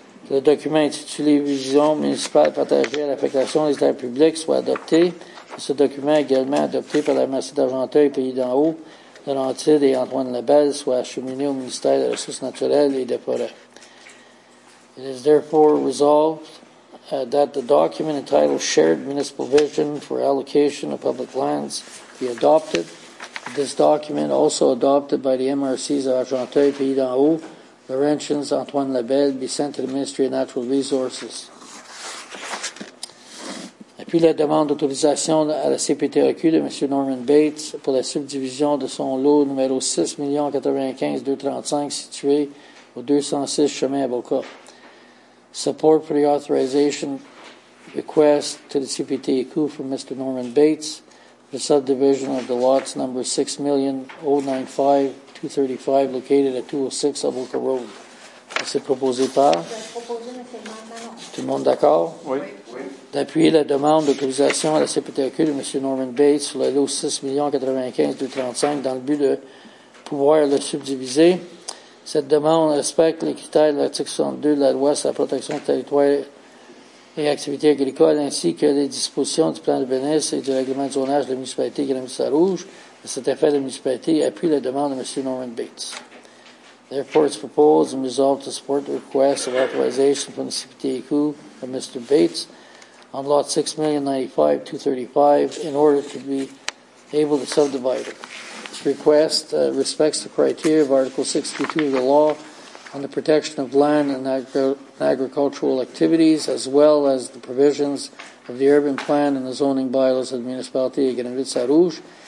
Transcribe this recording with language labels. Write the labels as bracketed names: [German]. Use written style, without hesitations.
[French] Le document intitulé Vision municipale partagée à l'affectation des terres publiques soit adopté. Ce document également adopté par la Massie d'Argenteuil et Pays d'en Haut, Laurentides et Antoine Lebel soit acheminé au ministère des Ressources naturelles et des forêts. [English] It is therefore resolved that the document entitled Shared Municipal Vision for Allocation of Public Lands be adopted. This document, also adopted by the MRCs of Argenteuil, Pays d'en Haut, Laurentians, Antoine Lebel, be sent to the Ministry of Natural Resources. [French] Appui la demande d'autorisation à la CPTAQ de M. Norman Bates pour la subdivision de son lot numéro 6,095,235 situé au 206 Chemin Avocat. [English] Support for the authorization request to the CPTQ from Mr. Norman Bates, the subdivision of the lots number 6095235, located at 206 Avoca Road. [French] C'est proposé par? Tout le monde d'accord? Oui. D'appuyer la demande d'autorisation à la CPTQ de M. Norman Bates sur le lot 6095235 dans le but de pouvoir le subdiviser. Cette demande respecte les critères de l'article 62 de la loi sur la protection du territoire et activité agricole ainsi que les dispositions du plan de Venise et du règlement de zonage de la municipalité Grand-Missa-Rouge. À cet effet, la municipalité appuie la demande de M. Norman Bates. [English] Therefore, it's proposed and resolved to support the request of authorization from the CPTQ of Mr. Bates on lot 6095235 in order to be able to subdivide it. This request respects the criteria of Article 62 of the law on the protection of land and agricultural activities, as well as the provisions of the urban plan and the zoning bylaws of the municipality of Grand-Missa-Rouge.